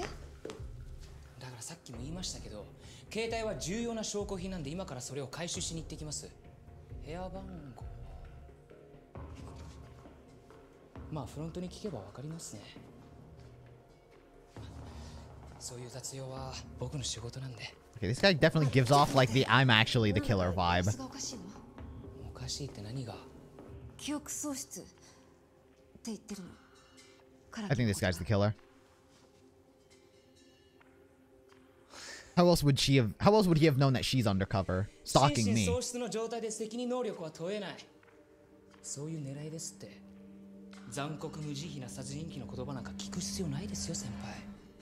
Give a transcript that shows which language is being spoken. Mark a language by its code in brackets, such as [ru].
[ja] だからさっきも言いましたけど、携帯は重要な証拠品なんで今からそれを回収しに行ってきます。部屋番号。まあフロントに聞けばわかりますね。そういう雑用は僕の仕事なんで。 [en] Okay, this guy definitely gives off like the I'm actually the killer vibe. [ja] おかしいの？おかしいって何が？記憶喪失って言ってるの。 [en] I think this guy's the killer. How else would she have? How else would he have known that she's undercover, stalking me? [ja] 心神喪失の状態で責任能力は問えない。そういう狙いですって。残酷無慈悲な殺人鬼の言葉なんか聞く必要ないですよ、先輩。